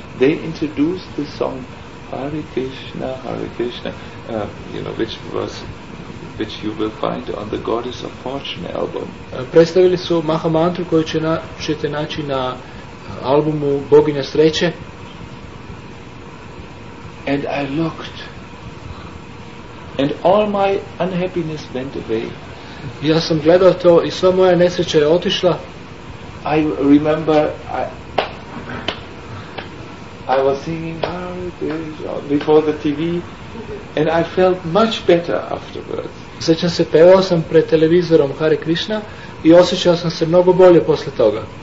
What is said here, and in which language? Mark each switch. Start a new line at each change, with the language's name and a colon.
English: They introduced the song Hare Krishna, Hare Krishna, you know, which you will find on the Goddess of Fortune album.
Serbian: Predstavili su Maha Mantru koju ćete naći na albumu Boginja sreće.
English: And I looked and all my unhappiness went away.
Serbian: Ja sam gledao to i sva moja nesreća je otišla.
English: I remember I was singing Hare Krishna before the TV and I felt much better afterwards.
Serbian: Sećam se, pevao sam pred televizorom Hare Krishna i osjećao sam se mnogo bolje posle toga.